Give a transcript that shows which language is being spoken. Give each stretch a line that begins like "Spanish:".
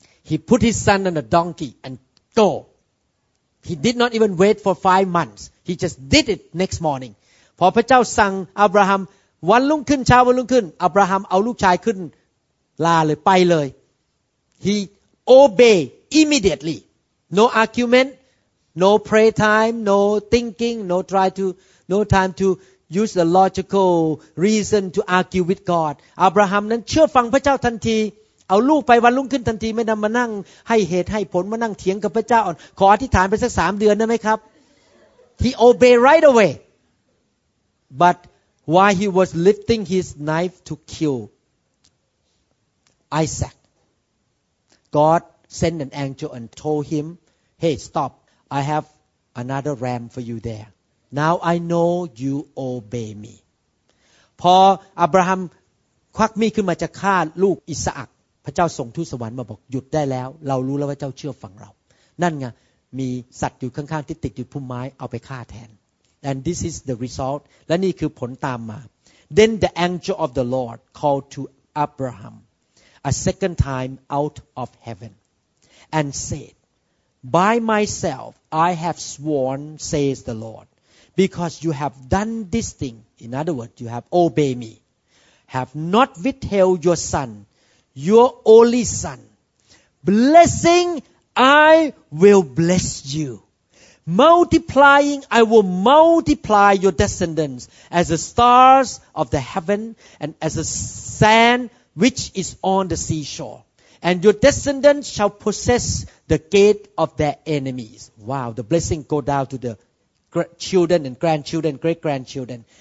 English: he put his son on a donkey and go he did not even wait for 5 months he just did it next morning
Thai: พอพระเจ้าสั่งอับราฮัมวันรุ่งขึ้นเช้าวันรุ่งขึ้นอับราฮัมเอาลูกชายขึ้นลาเลยไปเลย
English: he obeyed immediatelyNo argument, no pray time, no thinking, no try to, no time to use the logical reason to argue with God.
Thai: Abraham นั้นเชื่อฟังพระเจ้าทันทีเอาลูกไปวันรุ่งขึ้นทันทีไม่นำมานั่งให้เหตุให้ผลมานั่งเถียงกับพระเจ้าขออธิษฐานไปสัก3เดือนได้ไหมครับ
English: He obeyed right away. But while he was lifting his knife to kill Isaac, GodSend an angel and told him, "Hey, stop! I have another ram for you there. Now I know you obey me."
Thai: พออับราฮัมควักมีดขึ้นมาจะฆ่าลูกอิสอัก พระเจ้าส่งทูตสวรรค์มาบอกหยุดได้แล้วเรารู้แล้วว่าเจ้าเชื่อฟังเรานั่นไงมีสัตว์อยู่ข้างๆที่ติดอยู่พุ่มไม้เอาไปฆ่าแทน
English: and this is the result
Thai: และนี่คือผลตามมา
English: then the angel of the Lord called to Abraham a second time out of heaven and said by myself I have sworn says the Lord because you have done this thing in other words you have obeyed me have not withheld your sonYour only son, blessing I will bless you. Multiplying I will multiply your descendants as the stars of the heaven and as the sand which is on the seashore. And your descendants shall possess the gate of their enemies. Wow, the blessing go down to the children and grandchildren, great-grandchildren.